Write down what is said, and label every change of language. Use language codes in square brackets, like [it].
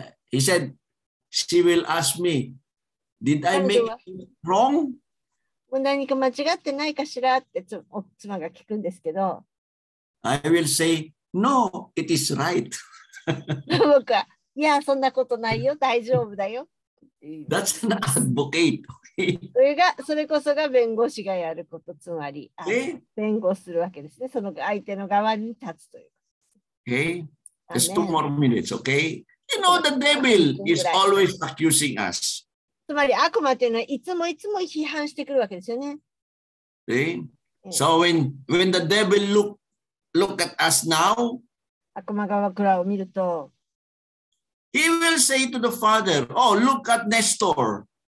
[en] he said,She will ask me, did I make it wrong? [ja] 何か間違ってないかしらって妻が聞くんですけど。 [en] I will say, no, it is right. [ja] 僕は、いや、そんなことないよ、大丈夫だよ。 [en] That's an advocate. [ja] それこそが弁護士がやること、つまり、弁護するわけですね、その相手の側に立つという。 [en] Okay, just two more minutes, okay? You know, the devil is always accusing us. [ja] つまり悪魔というのはいつもいつも批判してくるわけですよね。 [en] See? So when the devil look at us now, [ja] 悪魔が僕らを見ると、 [en] he will say to the father, oh, look at Nestor.